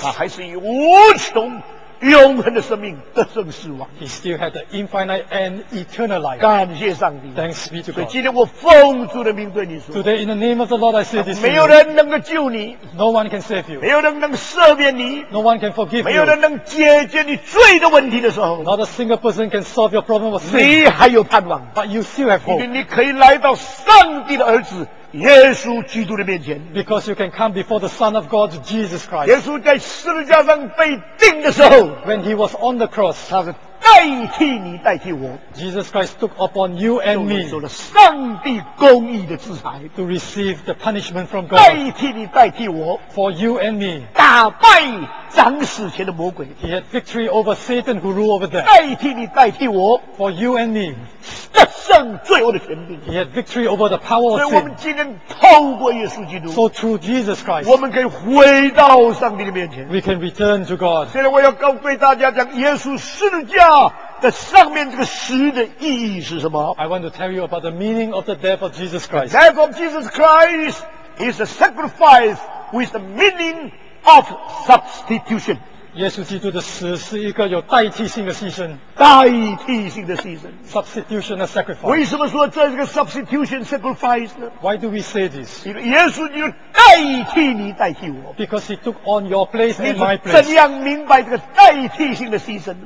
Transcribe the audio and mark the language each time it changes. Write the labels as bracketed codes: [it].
[zh] 他还是以无穷永恒的生命得胜死亡。 [en] He still had the infinite and eternal life. [zh] 感谢上帝。 [en] Thanks be to God. [zh] 所以今天我奉主的名对你说。 [en] Today in the name of the Lord I say this. [zh] 没有人能够救你。 [en] No one can save you. [zh] 没有人能赦免你。 [en] No one can forgive you. [zh] 没有人能解决你罪的问题的时候。 [en] Not a single person can solve your problem of sin. [zh] 你还有盼望。 [en] But you still have hope. [zh] 因为你可以来到上帝的儿子。耶稣基督的面前， [en] because you can come before the Son of God, Jesus Christ. [zh] 耶稣在十字架上被钉的时候， [en] when he was on the cross, [zh] 他是代替你，代替我。 [en] Jesus Christ took upon you and me, [zh] 受了上帝公义的制裁， [en] to receive the punishment from God. [zh] 代替你，代替我， [en] for you and me. [zh] 打败掌死权的魔鬼， [en] he had victory over Satan who ruled over death. [zh] 代替你，代替我， [en] for you and me. [zh] 得胜罪恶的权柄。 [en] He had victory over the power of sin. [zh] 所以我们今天透过耶稣基督。 [en] So through Jesus Christ. [zh] 我们可以回到上帝的面前。 [en] We can return to God. [zh] 现在我要告诉大家讲耶稣十字架的上面这个十的意义是什么。 [en] I want to tell you about the meaning of the death of Jesus Christ. The death of Jesus Christ is a sacrifice with the meaning of substitution. [zh] 耶稣基督的死是一个有代替性的牺牲，代替性的牺牲 [en] ，substitution a sacrifice。 [zh] 为什么说这是个 [en] substitution sacrifice [zh] 呢 [en] ？Why do we say this？ [zh] 因为耶稣基督代替你，代替我。 [en] Because he took on your place and my place。 [zh] 怎样明白这个代替性的牺牲